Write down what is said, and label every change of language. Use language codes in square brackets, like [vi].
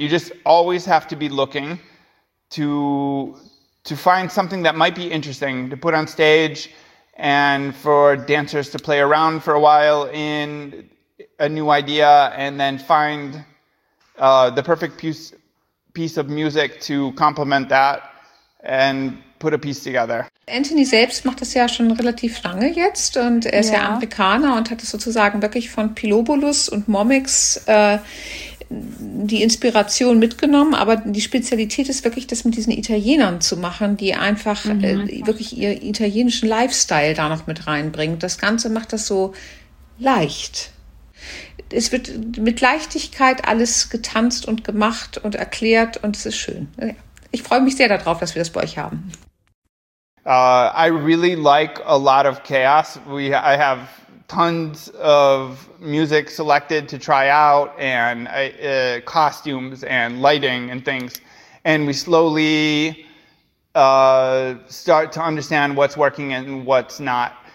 [en] You just always have to be looking to find something that might be interesting to put on stage and for dancers to play around for a while in a new idea and then find the perfect piece of music to complement that and put a piece together. [de] Anthony selbst macht das ja schon relativ lange jetzt und er ist ja Amerikaner und hat es sozusagen wirklich von Pilobolus und Momix die Inspiration mitgenommen, aber die Spezialität ist wirklich, das mit diesen Italienern zu machen, die einfach wirklich ihr italienischen Lifestyle da noch mit reinbringen. Das Ganze macht das so leicht. Es wird mit Leichtigkeit alles getanzt und gemacht und erklärt und es ist schön. Ich freue mich sehr darauf, dass wir das bei euch haben. [en] I really like a lot of chaos. I have tons of music selected to try out and costumes and lighting and things. And we slowly start to understand what's working and what's not.